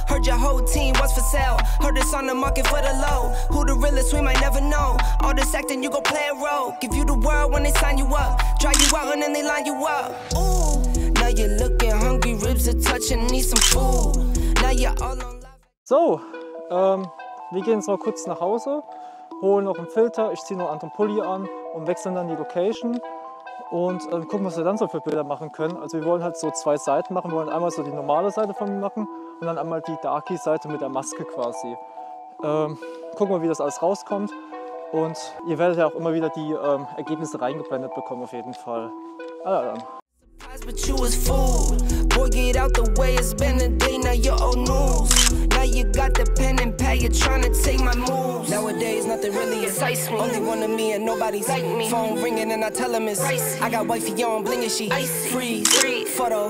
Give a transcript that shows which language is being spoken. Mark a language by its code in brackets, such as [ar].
[en] Heard your whole team was for sale. Heard it's on the market for the low. Who the realest, we might never know. All this acting, you gon' play a role. Give you the world when they sign you up. Try you out and then they line you up. Ooh. Now you're looking hungry, ribs are touching, need some food. Now you're all on life. [de] So. Wir gehen jetzt mal kurz nach Hause, holen noch einen Filter, ich ziehe noch einen anderen Pulli an und wechseln dann die Location und gucken, was wir dann so für Bilder machen können. Also wir wollen halt so zwei Seiten machen, wir wollen einmal so die normale Seite von mir machen und dann einmal die Darky-Seite mit der Maske quasi. Gucken wir, wie das alles rauskommt und ihr werdet ja auch immer wieder die Ergebnisse reingeblendet bekommen auf jeden Fall. Alla dann. [en] But you was fool. Boy, get out the way. It's been a day, now you're old news. Now you got the pen and pad, you're trying to take my moves. Nowadays, nothing really is ice. Only one of me and nobody's like me. Phone ringing and I tell him it's ice. I got wifey on bling and she ice. Freeze, freeze. Photo.